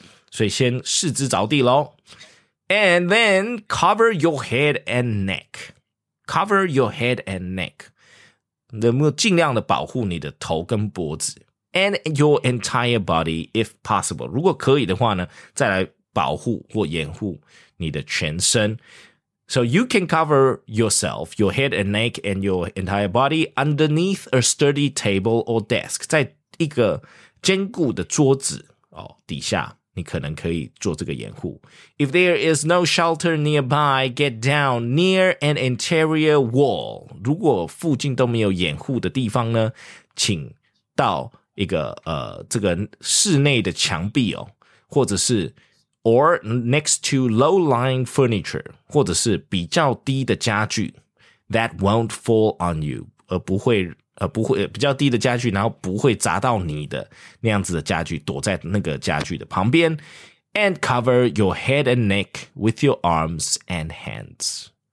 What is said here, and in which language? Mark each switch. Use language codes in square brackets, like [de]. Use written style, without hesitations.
[zh] 所以先四肢着地咯。 [en] And then cover your head and neck. Cover your head and neck. [zh] 能不能尽量的保护你的头跟脖子 [en] And your entire body if possible. [zh] 如果可以的话呢再来保护或掩护你的全身。 [en] So you can cover yourself, your head and neck and your entire body underneath a sturdy table or desk. [zh] 在一个坚固的桌子、哦、底下你可能可以做这个掩护。 [en] If there is no shelter nearby, get down near an interior wall. [zh] 如果附近都没有掩护的地方呢，请到一个这个室内的墙壁哦，或者是 [en] or next to low-lying furniture, [zh] 或者是比较低的家具 [en] that won't fall on you, [zh] 而不会不会比较低的家具，然后不会砸到你的那样子的家具，躲在那个家具的旁边 [en] and cover your head and neck with your arms and hands.